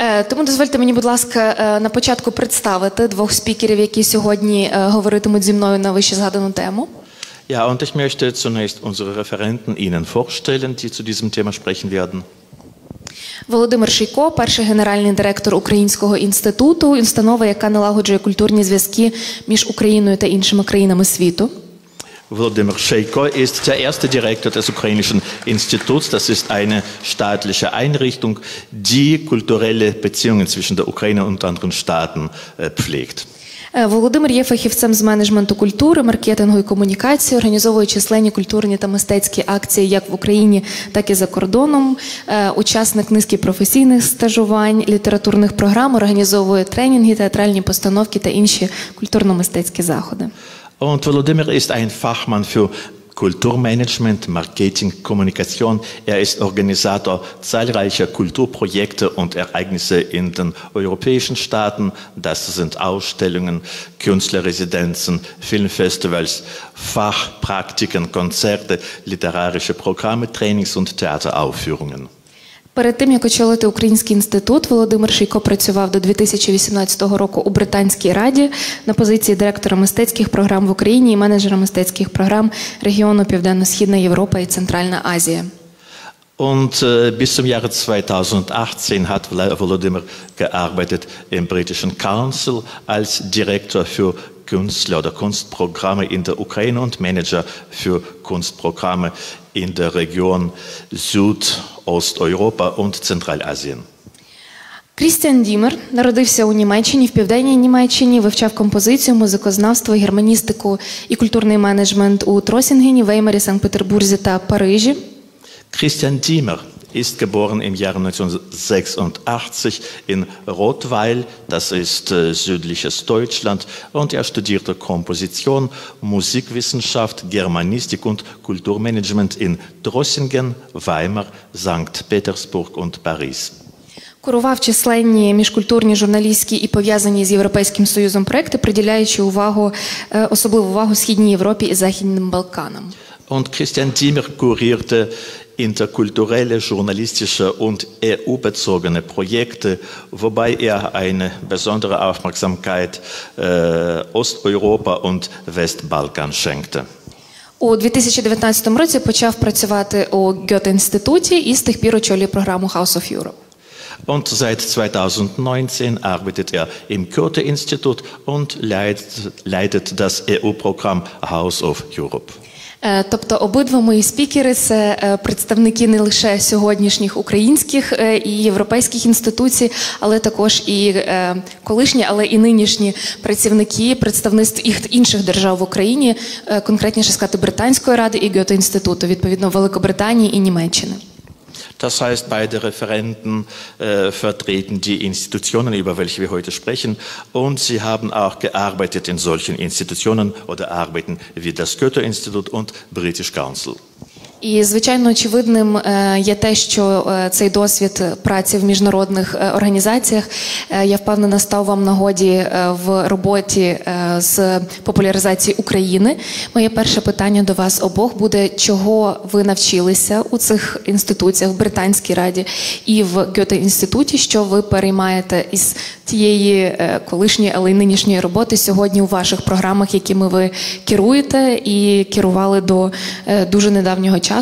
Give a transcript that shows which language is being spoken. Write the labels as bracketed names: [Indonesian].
[Ukrainian] Тому дозвольте мені, будь ласка, на початку представити двох спікерів, які сьогодні говоритимуть зі мною на вище згадану тему. [German] Ja, und ich möchte zunächst unsere Referenten Ihnen vorstellen, die zu diesem Thema sprechen werden. [Ukrainian] Володимир Шейко, перший генеральний директор Українського інституту, установи, яка налагоджує культурні зв'язки між Україною та іншими країнами світу. [German] Володимир Шейко ist der erste Direktor des Ukrainischen Instituts. Das ist eine staatliche Einrichtung, die kulturelle Beziehungen zwischen der Ukraine und anderen Staaten pflegt. [Ukrainian] Володимир є фахівцем з менеджменту культури, маркетингу і комунікації, організовує численні культурні та мистецькі акції як в Україні, так і за кордоном, учасник низки професійних стажувань, літературних програм, організовує тренінги, театральні постановки та інші культурно-мистецькі заходи. [German] Und Володимир ist ein Fachmann für Kulturmanagement, Marketing, Kommunikation. Er ist Organisator zahlreicher Kulturprojekte und Ereignisse in den europäischen Staaten. Das sind Ausstellungen, Künstlerresidenzen, Filmfestivals, Fachpraktiken, Konzerte, literarische Programme, Trainings- und Theateraufführungen. [Ukrainian] Перед тим, як очолити Український інститут, Володимир Шейко працював до 2018 року у Британській Раді на позиції директора мистецьких програм в Україні і менеджера мистецьких програм регіону Південно-Східна Європа і Центральна Азія. [German] Und bis zum Jahre 2018 hat Володимир gearbeitet im Britischen Council als Direktor für Künstler oder Kunstprogramme in der Ukraine und Manager für Kunstprogramme in der Region Südosteuropa und Zentralasien. [Ukrainian] Крістіан Дімер народився у Німеччині, в Південній Німеччині, вивчав композицію, музикознавство, германістику і культурний менеджмент у Тросінгені, Веймарі, Санкт-Петербурзі та Парижі. [German] Крістіан Дімер ist geboren im Jahre 1986 in Rottweil, das ist südliches Deutschland, und er studierte Komposition, Musikwissenschaft, Germanistik und Kulturmanagement in Drossingen, Weimar, Sankt Petersburg und Paris. [Ukrainian] Курував численні міжкультурні, журналістські і пов'язані з Європейським Союзом проекти, приділяючи увагу, особливу увагу Східній Європі і Західним Балканам. [German] Und Christian Diemer kurierte interkulturelle, journalistische und EU-bezogene Projekte, wobei er eine besondere Aufmerksamkeit Osteuropa und Westbalkan schenkte. [Ukrainian] У 2019 році почав працювати у Goethe-Інституті і з тих пір очолює програму House of Europe. [German] Und seit 2019 arbeitet er im Goethe-Institut und leitet das EU-Programm House of Europe. [Ukrainian] Тобто обидва мої спікери – це представники не лише сьогоднішніх українських і європейських інституцій, але також і колишні, але і нинішні працівники, представництв інших держав в Україні, конкретніше сказати, Британської ради і Гьоте-Інституту, відповідно Великобританії і Німеччини. [German] Das heißt, beide Referenten vertreten die Institutionen, über welche wir heute sprechen, und sie haben auch gearbeitet in solchen Institutionen oder arbeiten wie das Goethe-Institut und British Council. [Ukrainian] І, звичайно, очевидним є те, що цей досвід праці в міжнародних організаціях, я впевнена, став вам нагоді в роботі з популяризації України. Моє перше питання до вас обох буде, чого ви навчилися у цих інституціях, в Британській Раді і в Гьоте-Інституті, що ви переймаєте із тієї колишньої, але й нинішньої роботи сьогодні у ваших програмах, якими ви керуєте і керували до дуже недавнього часу.